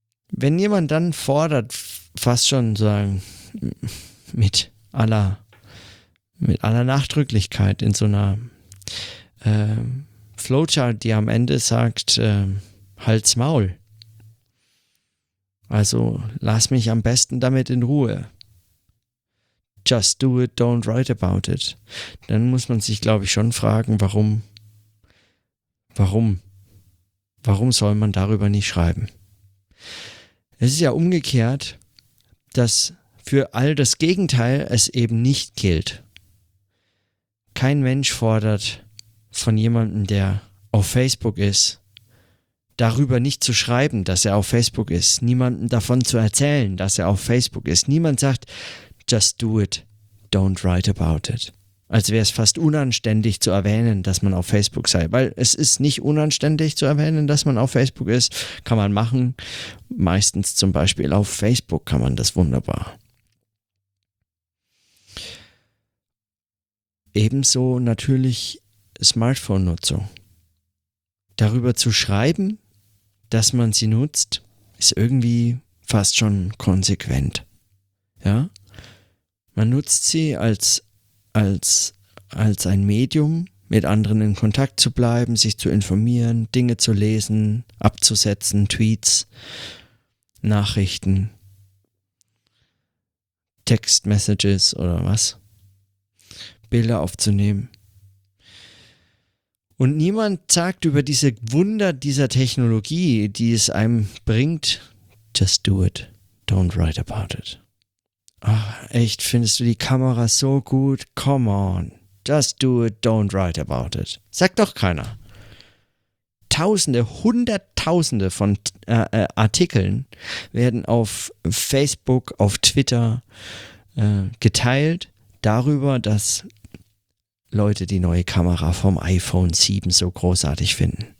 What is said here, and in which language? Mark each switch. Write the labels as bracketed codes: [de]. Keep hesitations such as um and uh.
[de] Wenn jemand dann fordert, fast schon sagen, mit aller, mit aller Nachdrücklichkeit in so einer äh, Flowchart, die am Ende sagt, äh, halt's Maul. Also lass mich am besten damit in Ruhe. [en] Just do it, don't write about it. [de] Dann muss man sich, glaube ich, schon fragen, warum, warum, warum soll man darüber nicht schreiben? Es ist ja umgekehrt, dass für all das Gegenteil es eben nicht gilt. Kein Mensch fordert von jemandem, der auf Facebook ist, darüber nicht zu schreiben, dass er auf Facebook ist, niemanden davon zu erzählen, dass er auf Facebook ist. Niemand sagt, [en] just do it, don't write about it. [de] Als wäre es fast unanständig zu erwähnen, dass man auf Facebook sei. Weil es ist nicht unanständig zu erwähnen, dass man auf Facebook ist. Kann man machen. Meistens zum Beispiel auf Facebook kann man das wunderbar. Ebenso natürlich Smartphone-Nutzung. Darüber zu schreiben, dass man sie nutzt, ist irgendwie fast schon konsequent. Ja? Man nutzt sie als, als, als ein Medium, mit anderen in Kontakt zu bleiben, sich zu informieren, Dinge zu lesen, abzusetzen, Tweets, Nachrichten, Textmessages oder was, Bilder aufzunehmen. Und niemand sagt über diese Wunder dieser Technologie, die es einem bringt, [en] just do it, don't write about it. [de] Ach, echt, findest du die Kamera so gut? [en] Come on. Just do it, don't write about it. [de] Sagt doch keiner. Tausende, Hunderttausende von äh, äh, Artikeln werden auf Facebook, auf Twitter äh, geteilt darüber, dass Leute die neue Kamera vom iPhone 7 so großartig finden.